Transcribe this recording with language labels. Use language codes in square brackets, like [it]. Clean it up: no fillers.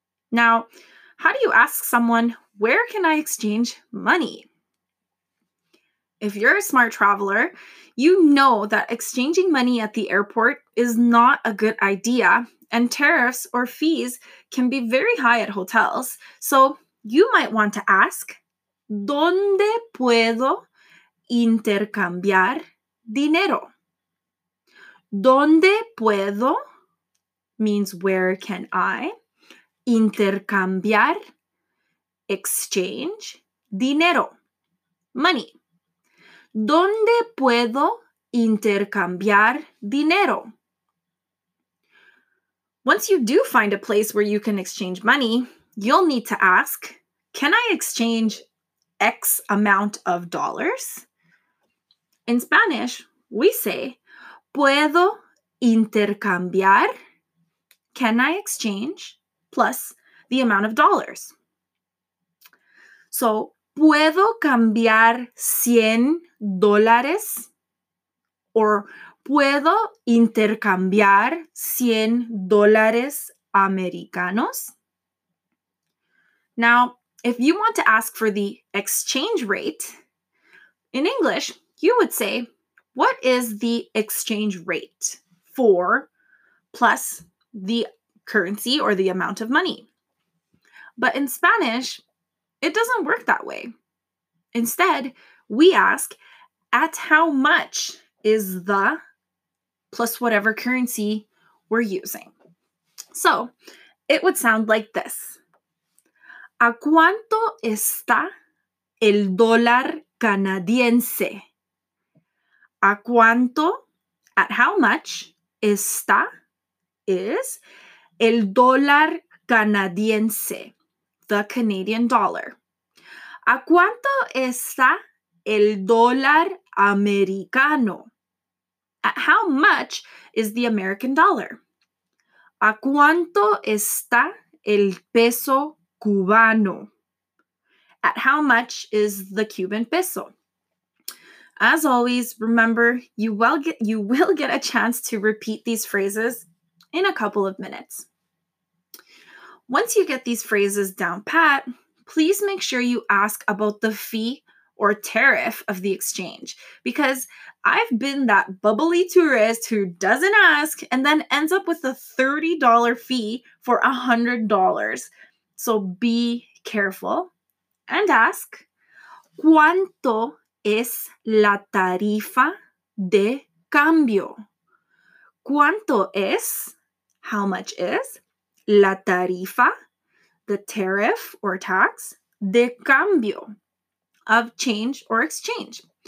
[en] Now, how do you ask someone, where can I exchange money? If you're a smart traveler, you know that exchanging money at the airport is not a good idea, and tariffs or fees can be very high at hotels. So you might want to ask, [es] ¿dónde puedo intercambiar dinero? ¿Dónde puedo [en] means where can I? [es] Intercambiar, [en] exchange, [es] dinero, [en] money. [es] ¿Dónde puedo intercambiar dinero? [en] Once you do find a place where you can exchange money, you'll need to ask, can I exchange X amount of dollars? In Spanish, we say, [es] ¿puedo intercambiar? [en] Can I exchange? Plus the amount of dollars. [es] So, ¿puedo cambiar 100 dólares? Or, ¿puedo intercambiar 100 dólares americanos? [en] Now, if you want to ask for the exchange rate, in English, you would say, what is the exchange rate for plus the currency or the amount of money? But in Spanish, it doesn't work that way. Instead, we ask, at how much is the plus whatever currency we're using? So it would sound like this. [es] ¿A cuánto está el dólar canadiense? ¿A cuánto, [en] at how much, [es] está, [en] is, [es] el dólar canadiense, [en] the Canadian dollar? [es] ¿A cuánto está el dólar americano? [en] At how much is the American dollar? [es] ¿A cuánto está el peso cubano? [en] At how much is the Cuban peso? As always, remember, you will get a chance to repeat these phrases in a couple of minutes. Once you get these phrases down pat, please make sure you ask about the fee or tariff of the exchange, because I've been that bubbly tourist who doesn't ask and then ends up with a $30 fee for $100. So be careful and ask, [es] ¿cuánto es la tarifa de cambio? ¿Cuánto es? [en] How much is? [es] La tarifa, [en] the tariff or tax, [es] de cambio, [en] of change or exchange.